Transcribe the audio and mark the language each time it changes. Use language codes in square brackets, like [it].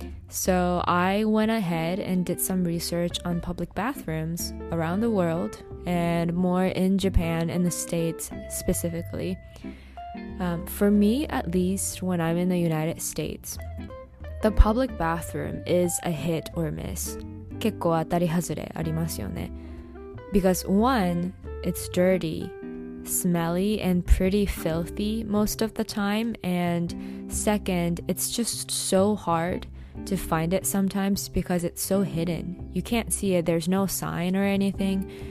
[en] So I went ahead and did some research on public bathrooms around the world and more in Japan and the States specifically. For me, at least when I'm in the United States, the public bathroom is a hit or miss. [ja] 結構当たり外れありますよね。 [en] Because one, it's dirty, smelly, and pretty filthy most of the time. And second, it's just so hard. To find it sometimes because it's so hidden. You can't see it, there's no sign or anything.